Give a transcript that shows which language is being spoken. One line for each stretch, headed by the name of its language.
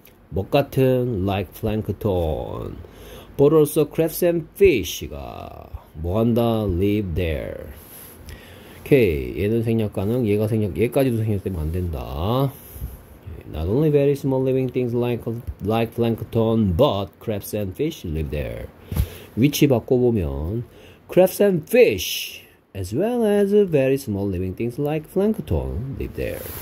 Korean: 뭣 같은
English: like plankton, but also crabs and fish가
Korean: 뭐 한다
English: live there.
Korean: 오케이, 얘는 생략 가능, 얘가 생략, 얘까지도 생략되면 안 된다.
English: Not only very small living things like plankton, but crabs and fish live there.
Korean: 위치 바꿔보면,
English: crabs and fish, as well as very small living things like plankton live there.